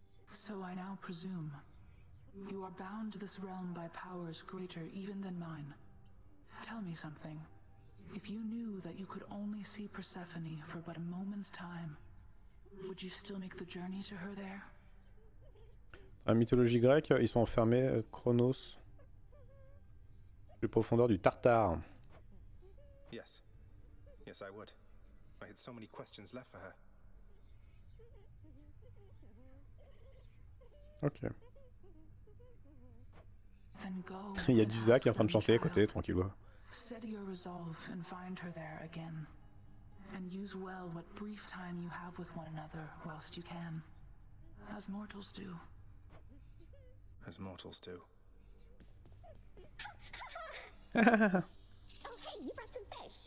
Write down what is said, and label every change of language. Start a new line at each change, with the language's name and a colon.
English: So I now presume you are bound to this realm by powers greater even than mine. Tell me something. If you knew that you could only see Persephone for but a moment's time, would you still make the journey to her there?
French: La mythologie grecque, ils sont enfermés, Chronos, les profondeurs du Tartare.
English: Yes, yes, I would. I had so many questions left for her. Ok. Then go.
French: Il y a du Zach qui est en train de chanter à côté, tranquillement.
English: Steady your resolve and find her there again, and use well what brief time you have with one another whilst you can, as mortals do. As mortals do. Oh, hey, you brought some fish.